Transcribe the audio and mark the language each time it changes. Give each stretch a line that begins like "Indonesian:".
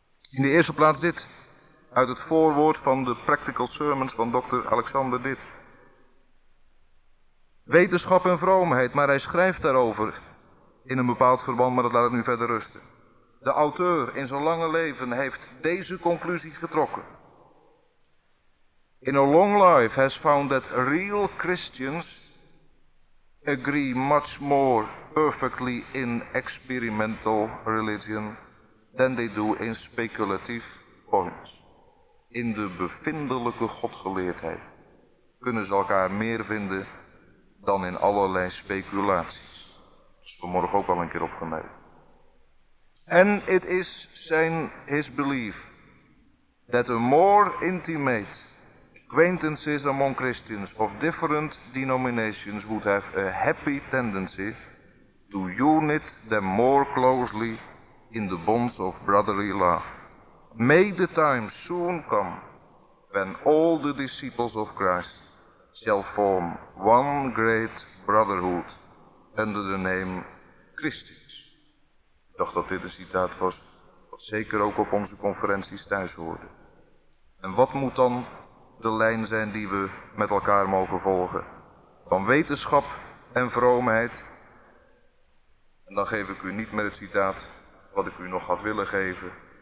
Dutch: In de eerste plaats dit, uit het voorwoord van de Practical Sermons van Dr. Alexander Dit. Wetenschap en vroomheid, maar hij schrijft daarover in een bepaald verband, maar dat laat ik nu verder rusten. De auteur in zijn lange leven heeft deze conclusie getrokken.
English: In a long life has found that real Christians agree much more perfectly in experimental religion than they do in speculative points.
Dutch: In de bevindelijke godgeleerdheid kunnen ze elkaar meer vinden dan in allerlei speculaties. Dat is vanmorgen ook al een keer opgemerkt.
English: And it is his belief that a more intimate acquaintances among Christians of different denominations would have a happy tendency to unite them more closely in the bonds of brotherly love. May the time soon come when all the disciples of Christ shall form one great brotherhood under the name Christians.
Dutch: Ik dacht dat dit een citaat was wat zeker ook op onze conferenties thuis hoorde. En wat moet dan de lijn zijn die we met elkaar mogen volgen? Van wetenschap en vroomheid. En dan geef ik u niet meer het citaat wat ik u nog had willen geven.